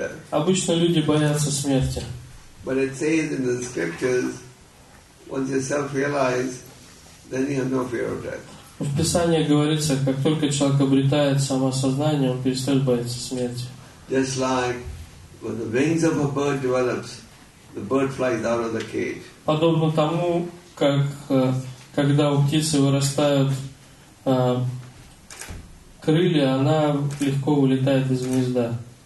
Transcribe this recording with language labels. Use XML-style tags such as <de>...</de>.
<ru>Обычно люди боятся смерти.</ru> <en>But it says in the scriptures, once you self-realize, then you have no fear of death.</en> <ru>В Писании говорится, как только человек обретает самосознание, он перестает бояться смерти.</ru> <en>Just like when the wings of a bird develops, the bird flies out of the cage.</en> <ru>Подобно тому, как когда у птицы вырастают крылья, она легко улетает из гнезда.</ru>